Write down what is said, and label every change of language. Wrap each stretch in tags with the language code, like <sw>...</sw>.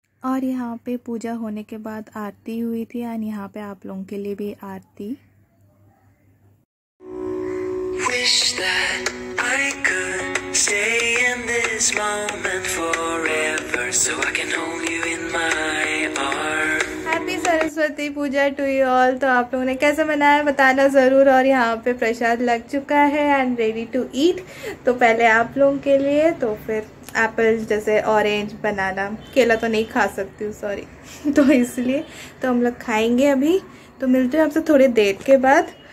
<hi>और यहाँ पे पूजा होने के बाद आरती हुई थी, और यहाँ पे आप लोगों के लिए भी आरती।</hi> <en>Wish that I could stay in this moment forever, so I can hold you in my arms. Happy Saraswati puja to you all।</en> <hi>तो आप लोगों ने कैसे मनाया बताना जरूर। और यहाँ पे प्रसाद लग चुका है</hi> <en>and ready to eat,</en> <hi>तो पहले आप लोगों के लिए, तो फिर एप्पल जैसे ऑरेंज बनाना, केला तो नहीं खा सकती हूँ सॉरी तो इसलिए तो हम लोग खाएंगे अभी, तो मिलते हैं आपसे थोड़ी देर के बाद।</hi>